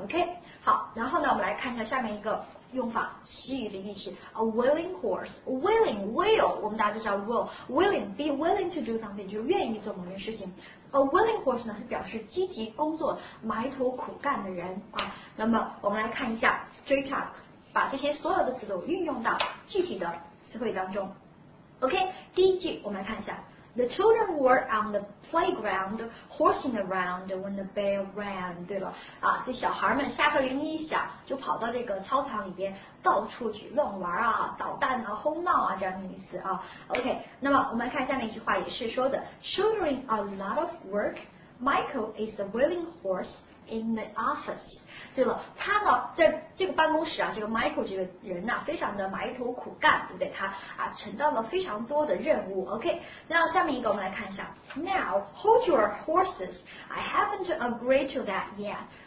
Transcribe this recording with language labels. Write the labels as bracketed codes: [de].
[zh] OK， 好，然后呢，我们来看一下下面一个用法，西语的意思 ，a willing horse， willing will， 我们大家都知道 will， willing be willing to do something，就愿意做某件事情。 a willing horse 呢，是表示积极工作、埋头苦干的人啊。那么我们来看一下 straight up。把这些所有的词都运用到具体的词汇当中。 [en] OK，第一句我们来看一下，The children were on the playground horsing around when the bell rang。 [zh] 对了，啊，这小孩们下课铃一响，就跑到这个操场里边到处去乱玩啊，捣蛋啊，哄闹啊，这样的意思啊。 [en] OK，那么我们来看下面一句话，也是说的，Shouldering a lot of work， Michael is a willing horse。 [zh] In the office，对了，他呢，在这个办公室啊，这个 Michael 这个人呢、啊，非常的埋头苦干，对不对？他啊，承担了非常多的任务。OK， 那下面一个我们来看一下。 [en] Now hold your horses， I haven't agreed to that yet。